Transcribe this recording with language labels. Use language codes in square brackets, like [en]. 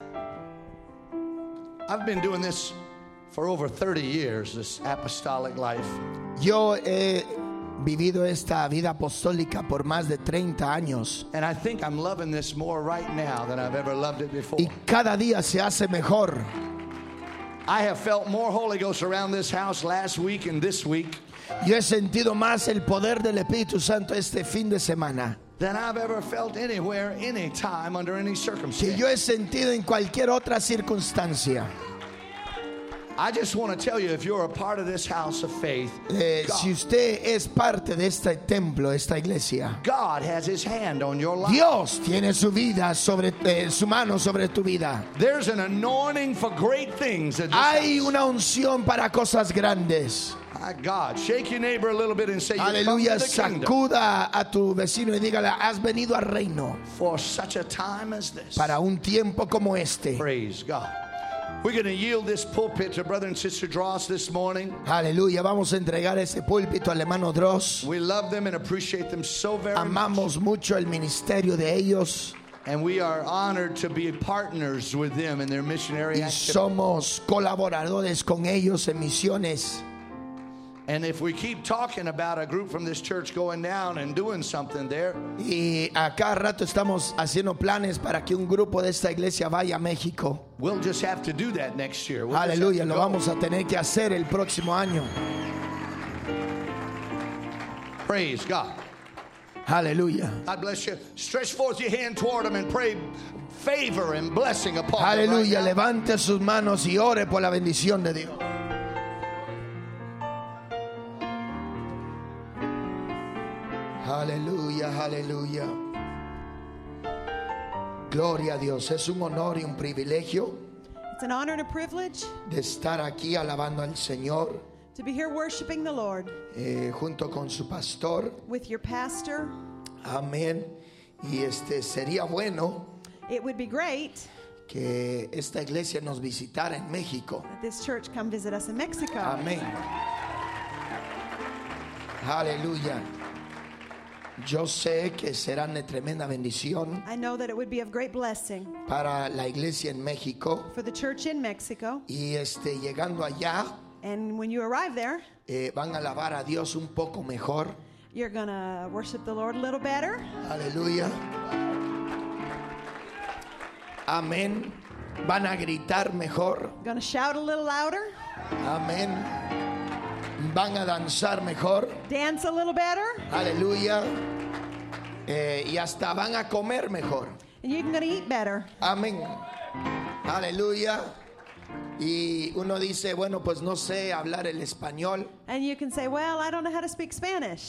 [en] I've been doing this for over 30 years, this apostolic life. [es] Yo he vivido esta vida apostólica por más de 30 años. [en] And I think I'm loving this more right now than I've ever loved it before. [es] Y cada día se hace mejor. [en] I have felt more Holy Ghost around this house last week and this week. [es] Yo he sentido más el poder del Espíritu Santo este fin de semana. [en] Than I've ever felt anywhere, anytime, under any circumstance. [es] Que yo he sentido en cualquier otra circunstancia. [en] I just want to tell you, if you're a part of this house of faith, [es] si usted es parte de este templo, esta iglesia, [en] God has His hand on your life. [es] Dios tiene su vida sobre su mano sobre tu vida. [en] There's an anointing for great things. [es] Hay una unción para cosas grandes. [en] My God, shake your neighbor a little bit and say, [es] "Aleluya, [en] you've come to the kingdom." [es] Sacuda a tu vecino y dígale, "Has venido al reino." For such a time as this. Para un tiempo como este. [en] Praise God. We're going to yield this pulpit to brother and sister Dross this morning. [es] Aleluya, vamos a entregar ese púlpito al hermano Dross. [en] We love them and appreciate them so very [es] much. Amamos mucho el ministerio de ellos. [en] And we are honored to be partners with them in their missionary activities. [es] Y somos colaboradores con ellos en misiones. [en] And if we keep talking about a group from this church going down and doing something there, [es] y a cada rato estamos haciendo planes para que un grupo de esta iglesia vaya a México, [en] we'll just have to do that next year. We'll [es] Aleluya, lo vamos a tener que hacer el próximo año. [en] Praise God. [es] Aleluya. [en] God bless you. Stretch forth your hand toward them and pray favor and blessing upon [es] Aleluya. Aleluya, [en] right, [es] levante sus manos y ore por la bendición de Dios. Aleluya, aleluya. Gloria a Dios. Es un honor y un privilegio. [en] It's an honor and a privilege. [es] De estar aquí alabando al Señor. [en] To be here worshiping the Lord. [es] Junto con su pastor. [en] With your pastor. [es] Amén. Y sería bueno. [en] It would be great. [es] Que esta iglesia nos visitara en México. [en] That this church come visit us in Mexico. [es] Amén. Aleluya. Yo sé que serán de tremenda bendición. [en] I know that it would be of great blessing [es] para la iglesia en México. [en] For the church in Mexico. [es] Y llegando allá, [en] and when you arrive there, [es] van a alabar a Dios un poco mejor. [en] You're gonna worship the Lord a little better. [es] Aleluya. Amén. Van a gritar mejor. [en] Gonna shout a little louder. [es] Amén. Van a danzar mejor. [en] Dance a little better. [es] Aleluya. Y hasta van a comer mejor. [en] And you're going to eat better. [es] Amén. Aleluya. Y uno dice, bueno, pues no sé hablar el español. [en] And you can say, well, I don't know how to speak Spanish.